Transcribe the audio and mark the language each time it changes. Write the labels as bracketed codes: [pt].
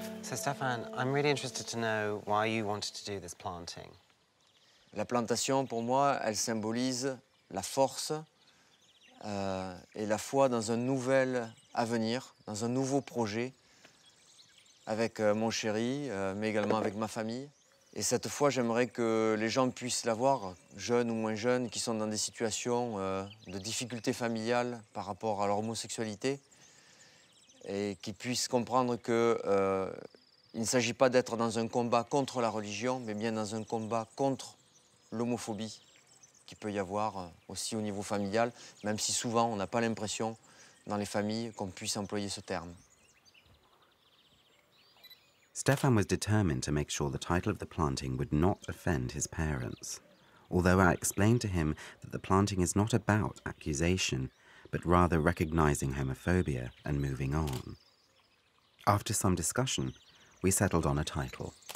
[en] Stéphane, I'm really interested to know why you wanted to do this planting. [fr] La plantation, pour moi, elle symbolise la force, et la foi dans un nouvel avenir, dans un nouveau projet avec mon chéri, mais également avec ma famille. Et cette foi, j'aimerais que les gens puissent l'avoir, jeunes ou moins jeunes, qui sont dans des situations de difficultés familiales par rapport à leur homosexualité, et qui puissent comprendre que il ne s'agit pas d'être dans un combat contre la religion, mais bien dans un combat contre l'homophobie qu'il peut y avoir aussi au niveau familial, même si souvent on n'a pas l'impression dans les familles qu'on puisse employer ce terme. [en] Stefan was determined to make sure the title of the planting would not offend his parents. Although I explained to him that the planting is not about accusation, but rather recognizing homophobia and moving on. After some discussion, we settled on a title.